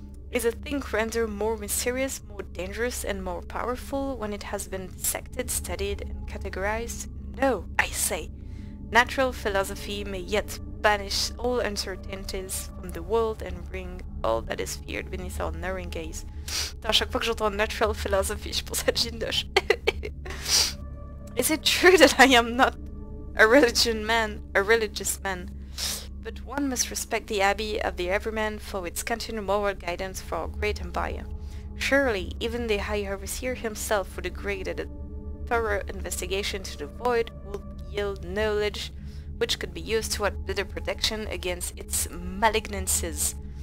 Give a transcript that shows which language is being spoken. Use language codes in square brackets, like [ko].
[en] Is a thing rendered more mysterious, more dangerous, and more powerful when it has been dissected, studied, and categorized? No, I say. Natural philosophy may yet banish all uncertainties from the world and bring all that is feared beneath our narrowing gaze. [fr] Attends, à chaque fois que j'entends [en] natural philosophy, [fr] je pense à Jindosh. [en] Is it true that I am not a religion man, a religious man? But one must respect the Abbey of the Everman for its continued moral guidance for our great empire. Surely, even the High Overseer himself would agree that a thorough investigation to the Void would yield knowledge which could be used toward better protection against its malignancies.